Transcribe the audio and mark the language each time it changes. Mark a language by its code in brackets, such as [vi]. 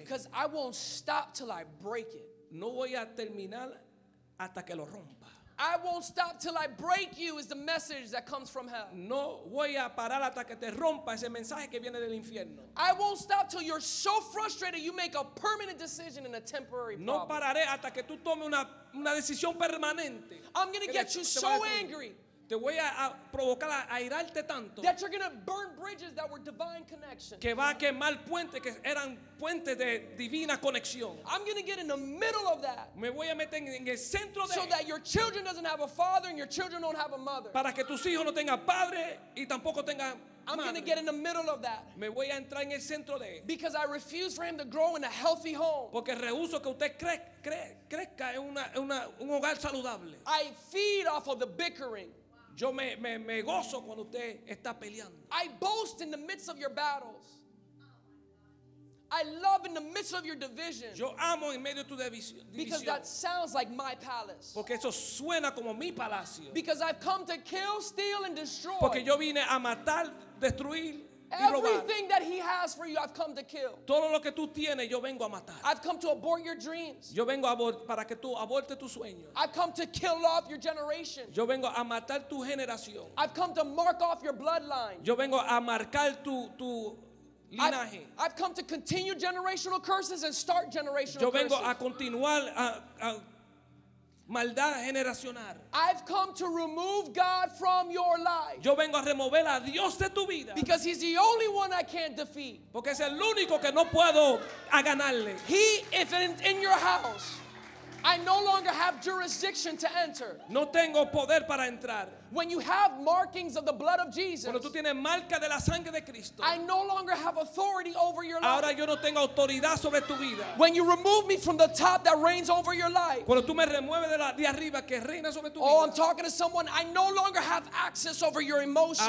[en] Because I won't stop till I break it. [es] No voy a terminar hasta que lo rompa. [en] I won't stop till I break you is the message that comes from hell. [es] No voy a parar hasta que te rompa ese mensaje que viene del infierno. [en] I won't stop till you're so frustrated you make a permanent decision in a temporary problem. [es] No pararé hasta que tú tomes una decisión permanente. [en] I'm going to get you so angry. [es] Te voy a provocar a irarte tanto. [en] That you're going to burn bridges that were divine connections. [es] Que va a quemar puentes que eran puentes de divina conexión. [en] I'm going to get in the middle of that. [es] Me voy a meter en el centro de. [en] So that your children doesn't have a father and your children don't have a mother. [es] Para que tus hijos no tengan padre y tampoco tengan. [en] I'm going to get in the middle of that. [es] Me voy a entrar en el centro de. [en] Because I refuse for him to grow in a healthy home. [es] Porque rehúso que usted crezca en un hogar saludable. [en] I feed off of the bickering. [es] Yo me gozo cuando usted está peleando. [en] I boast in the midst of your battles. I love in the midst of your division. [es] Yo amo en medio de tu división. [en] Because that sounds like my palace. [es] Porque eso suena como mi palacio. [en] Because I've come to kill, steal, and destroy. [es] Porque yo vine a matar, destruir. [en] Everything that he has for you, I've come to kill. [es] Todo lo que tú tienes, yo vengo a matar. [en] I've come to abort your dreams. [es] Yo vengo a para que tú abortes tus sueños. [en] I've come to kill off your generation. [es] Yo vengo a matar tu generación. [en] I've come to mark off your bloodline. [es] Yo vengo a marcar tu linaje. [en] I've come to continue generational curses and start generational curses. [es] Yo vengo a continuar a maldad generacional. [en] I've come to remove God from your life. [es] Yo vengo a remover a Dios de tu vida. [en] Because he's the only one I can't defeat. [es] Porque es el único que no puedo a ganarle. [en] He, if in your house, I no longer have jurisdiction to enter. [es] No tengo poder para entrar. [en] When you have markings of the blood of Jesus, [es] cuando tú tienes marca de la sangre de Cristo, [en] I no longer have authority over your life. [es] Ahora yo no tengo autoridad sobre tu vida. [en] When you remove me from the top that reigns over your life, [es] cuando tú me remueves de arriba que reina sobre tu vida. [en] Oh, I'm talking to someone. I no longer have access over your emotions.